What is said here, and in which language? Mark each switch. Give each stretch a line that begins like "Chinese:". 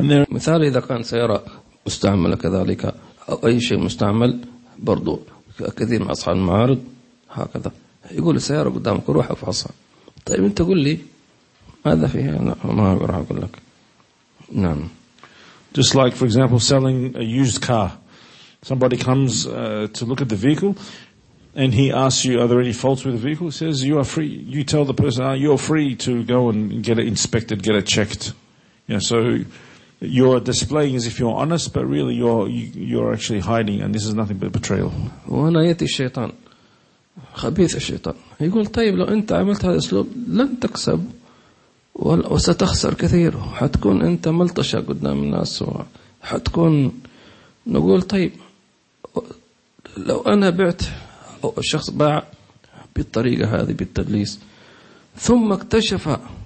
Arabic: مثال إذا كان سيارة مستعملة كذلك أو أي شيء مستعمل، برضو كثير من أصحاب المعارض هكذا يقول السيارة قدامك روح أفحصها. طيب أنت قل لي ماذا فيها؟ أنا ما راح أقول لك. نعم.
English: Just like for example selling a used car. Somebody comes to look at the vehicle and he asks you, are there any faults with the vehicle? He says, you are free. You tell the person, you're free to go and get it inspected, get it checked. You know, so you're displaying as if you're honest, but really you're actually hiding, and this is nothing but betrayal.
Arabic: وهنا يأتي الشيطان، خبيث الشيطان. يقول طيب لو أنت عملت هذا الأسلوب لن تكسب وستخسر كثير، حتكون أنت ملطشة قدام الناس، حتكون نقول طيب لو أنا بعت أو الشخص باع بالطريقة هذه بالتدليس، ثم اكتشف